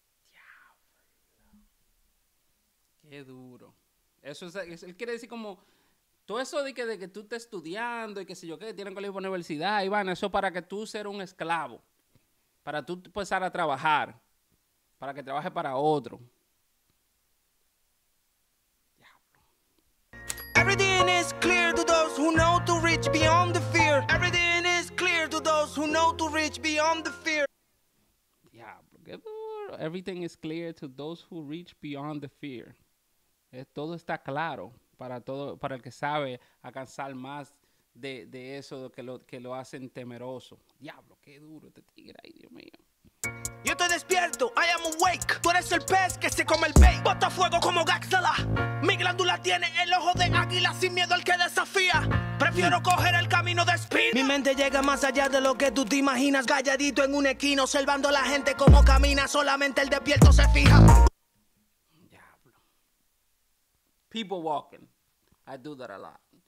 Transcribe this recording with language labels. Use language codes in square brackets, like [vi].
[es] Diablo. Qué duro. Eso es, él quiere decir como... Todo eso de que tú estés estudiando y qué sé yo qué, tienen colegio para la universidad, Iván, eso para que tú seas un esclavo, para tú empezar a trabajar, para que trabajes para otro. Diablo. [en] Everything is clear to those who know to reach beyond the fear. Everything is clear to those who know to reach beyond the fear. [es] Diablo, Qué duro. [en] Everything is clear to those who reach beyond the fear. [es] Todo está claro para todo, para el que sabe alcanzar más de eso que lo hacen temeroso. Diablo, qué duro este tigre, ay Dios mío. Yo te despierto, [en] I am awake. [es] Tú eres el pez que se come el bait. Bota fuego como Gaxala. Mi glándula tiene el ojo de águila. Sin miedo al que desafía, prefiero coger el camino de espina. Mi mente llega más allá de lo que tú te imaginas. Calladito en un esquino, observando a la gente como camina. Solamente el despierto se fija. Diablo. [en] People walking, I do that a lot.